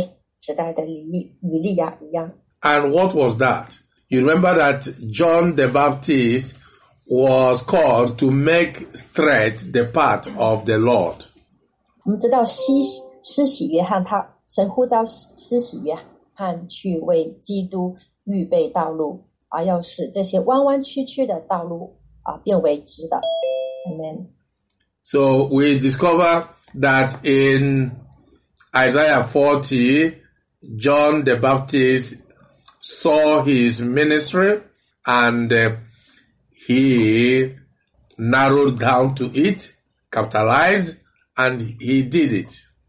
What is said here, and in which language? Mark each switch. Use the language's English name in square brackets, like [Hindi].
[Chinese] 那么今天教会我们要做的事情就是我们要去为基督预备合用的百姓，就如同在旧约时代的以利亚一样。 [English] And what was that? You remember that John the Baptist was called to make straight the path of the Lord. [Chinese] 我们知道神呼召施洗约翰去为基督预备道路，要使这些弯弯曲曲的道路变为直的。Amen. [English] So we discover that in Isaiah 40, John the Baptist saw his ministry and he narrowed down to it, capitalized, and he did it.